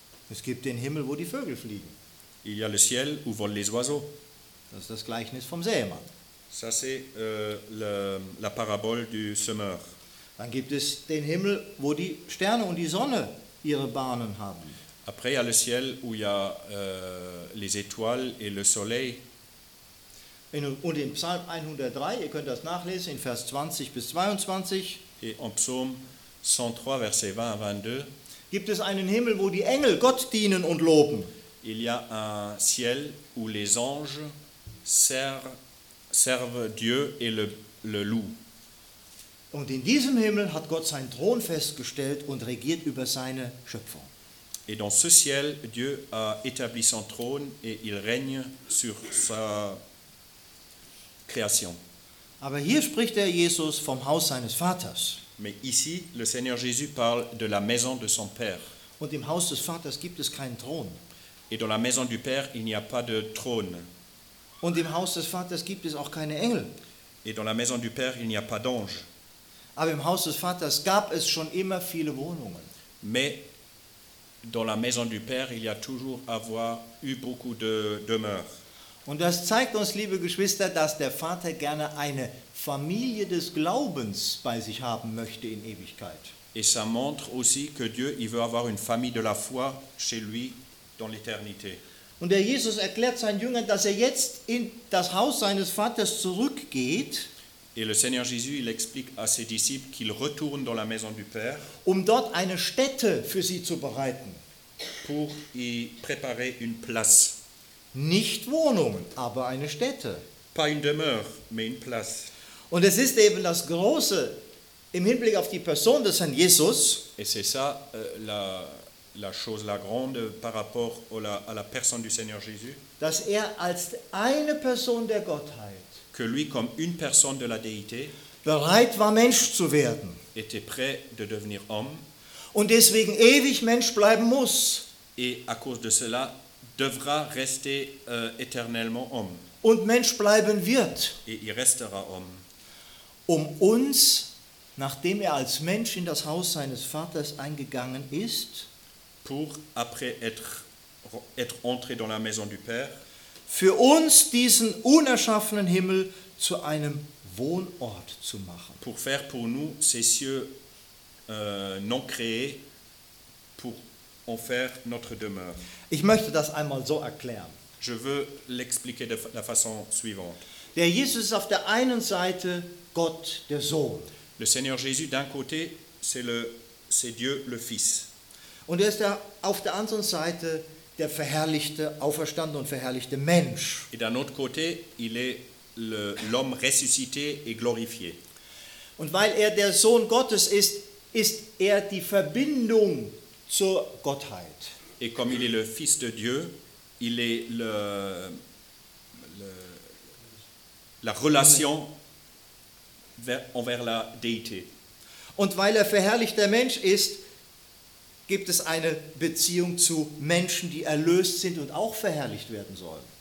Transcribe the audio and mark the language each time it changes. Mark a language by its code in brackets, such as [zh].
[de] Es gibt den Himmel, wo die Vögel fliegen. [fr] Il y a le ciel où volent les oiseaux. [de] Das ist das Gleichnis vom Sämann. [fr] Ça, c'est la parabole du semeur. [de] Dann gibt es den Himmel, wo die Sterne und die Sonne ihre Bahnen haben. [fr] Après, il y a le ciel où il y a les étoiles et le soleil. [de] Und in Psalm 103, ihr könnt das nachlesen, in Vers 20 bis 22. [fr] Et en Psalm 103, verset 20 à 22. [de] Gibt es einen Himmel, wo die Engel Gott dienen und loben. [fr] Il y a un ciel où les anges servent Dieu et le loup. [de] Und in diesem Himmel hat Gott seinen Thron festgestellt und regiert über seine Schöpfung. [fr] Et dans ce ciel, Dieu a établi son trône et il règne sur sa création. [de] Aber hier spricht der Jesus vom Haus seines Vaters. [fr] Mais ici, le Seigneur Jésus parle de la maison de son Père. [de] Und im Haus des Vaters gibt es keinen Thron. [fr] Et dans la maison du Père, il n'y a pas de trône. [de] Und im Haus des Vaters gibt es auch keine Engel. [fr] Et dans la maison du Père, il n'y a pas d'ange. [de] Aber im Haus des Vaters gab es schon immer viele Wohnungen. [fr] Mais dans la maison du Père, il y a toujours eu beaucoup de demeures. [de] Und das zeigt uns, liebe Geschwister, dass der Vater gerne eine Familie des Glaubens bei sich haben möchte in Ewigkeit. [fr] Et ça montre aussi que Dieu, il veut avoir une famille de la foi chez lui dans l'éternité. [de] Und der Jesus erklärt seinen Jüngern, dass er jetzt in das Haus seines Vaters zurückgeht. [fr] Et le Seigneur Jésus, il explique à ses disciples qu'il retourne dans la maison du Père. [de] Um dort eine Stätte für sie zu bereiten. [fr] pour y préparer une place. [de] Nicht Wohnungen, aber eine Stätte. [fr] Pas une demeure, mais une place. [de] Und es ist eben das Große im Hinblick auf die Person des Herrn Jesus. [fr] Et c'est ça la chose la grande par rapport à la personne du Seigneur Jésus. [de] Dass er als eine Person der Gottheit. [fr] Que lui comme une personne de la déité. [de] Bereit war Mensch zu werden. [fr] Était prêt de devenir homme. [de] Und deswegen ewig Mensch bleiben muss. [fr] Et à cause de cela devra rester éternellement homme. [de] Und Mensch bleiben wird. [fr] Et il restera homme. [de] Um uns, nachdem er als Mensch in das Haus seines Vaters eingegangen ist, [fr] pour après être entré dans la maison du Père, [de] für uns diesen unerschaffenen Himmel zu einem Wohnort zu machen. [fr] Pour faire pour nous ces cieux non créés, pour en faire notre demeure. [de] Ich möchte das einmal so erklären. [fr] Je veux l'expliquer de la façon suivante. [de] Der Jesus ist auf der einen Seite Gott, der Sohn. [fr] Le Seigneur Jésus, d'un côté, c'est Dieu, le Fils. [de] Und er ist auf der anderen Seite der verherrlichte, auferstandene und verherrlichte Mensch. [fr] Et d'un autre côté, il est l'homme ressuscité et glorifié. [de] Und weil er der Sohn Gottes ist, ist er die Verbindung zur Gottheit. [fr] Et comme il est le Fils de Dieu, il est la relation envers la déité. [de] Und weil er verherrlichter Mensch ist, gibt es eine Beziehung zu Menschen, die erlöst sind und auch verherrlicht werden sollen.